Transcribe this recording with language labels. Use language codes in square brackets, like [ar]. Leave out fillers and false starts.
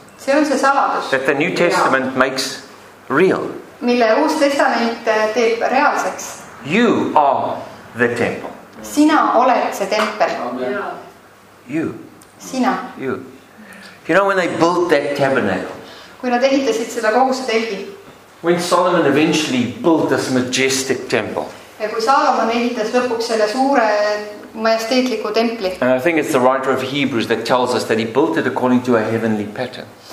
[et] See on see saladus. [en] That the New Testament makes real. [et] Mille Uus Testament teeb reaalseks. [en] You are the temple. [et] Sina oled see tempel. [en] You. [et] Sina. [en] You. You know when they built that tabernacle? [et] Kui nad ehitasid seda koguse telgi. [en] When Solomon eventually built this majestic temple. [et] Ja kui Salomon ehitas lõpuks selle suure majesteetliku templi. [en] And I think it's the writer of Hebrews that tells us that he built it according to a heavenly pattern.